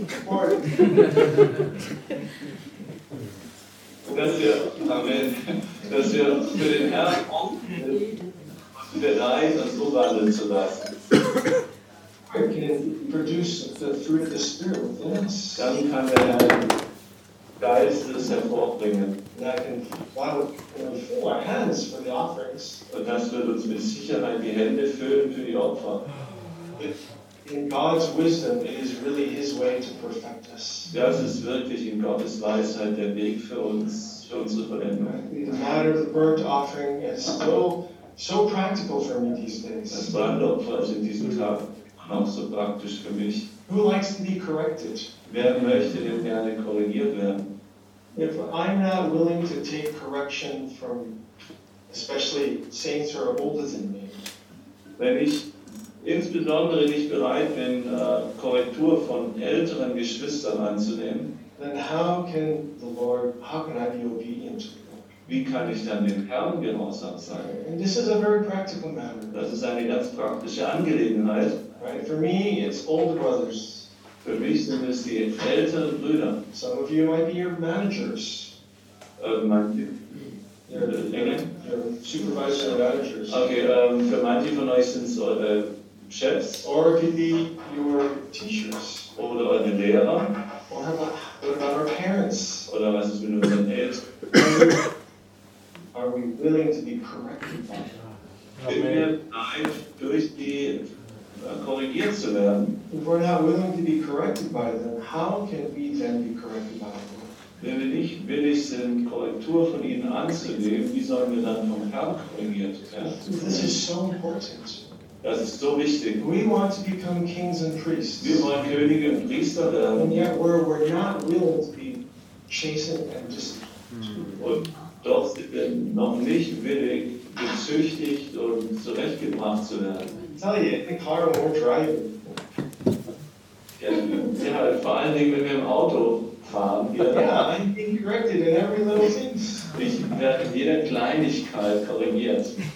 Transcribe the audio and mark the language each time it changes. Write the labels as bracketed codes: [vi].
[de] Dass wir für den Herrn bereit sind, uns so wandeln zu lassen. [en] Can can produce the fruit of the Spirit within us. [de] Dann kann der Geist das hervorbringen. [en] And I can fill our hands for the offerings. [de] Und das wird uns mit Sicherheit die Hände füllen für die Opfer. [en] In God's wisdom, it is really His way to perfect us. [de] Das ist wirklich in Gottes Weisheit der Weg für unsere Veränderung. [en] The matter of the burnt offering is still so practical for me these days. [de] Das Brandopfer ist in diesen Tagen auch so praktisch für mich. [en] Who likes to be corrected? [de] Wer möchte denn gerne korrigiert werden? [en] If I'm not willing to take correction from, especially saints who are older than me. [de] Wenn ich insbesondere nicht bereit bin, Korrektur von älteren Geschwistern anzunehmen. [en] Then how can the Lord? How can I be obedient to God? [de] Wie kann ich dann dem Herrn gehorsam sein? [en] And this is a very practical matter. [de] Das ist eine ganz praktische Angelegenheit. [en] Right. For me, it's older brothers. [de] Für mich sind es die älteren Brüder. [en] Some of you might be your managers. Supervisor managers. [de] Okay, für manche von euch sind es Chefs. [en] Or it could be your teachers. [de] Oder eure Lehrer. [en] Or what about our parents? [de] Oder was ist mit unseren Eltern? [en] Are we willing to be corrected by God? [de] Sind wir bereit, durch die korrigiert zu werden? [en] If we're not willing to be corrected by them, how can we then be corrected by God? [de] Wenn wir nicht willig sind, Korrektur von ihnen anzunehmen, wie sollen wir dann vom Herrn korrigiert werden? [en] This is so important. [de] Das ist so wichtig. [en] We want to become kings and priests. [de] Wir wollen Könige und Priester werden. [en] And yet we're not willing to be chastened and disciplined. [de] Und doch sind wir noch nicht willig, gezüchtigt und zurechtgebracht zu werden. [en] Tell you, in the car won't drive. [de] Ja, vor allen Dingen, wenn wir im Auto fahren. [en] Yeah, I'm being corrected in every little thing. [de] Ich werde in jeder Kleinigkeit korrigiert.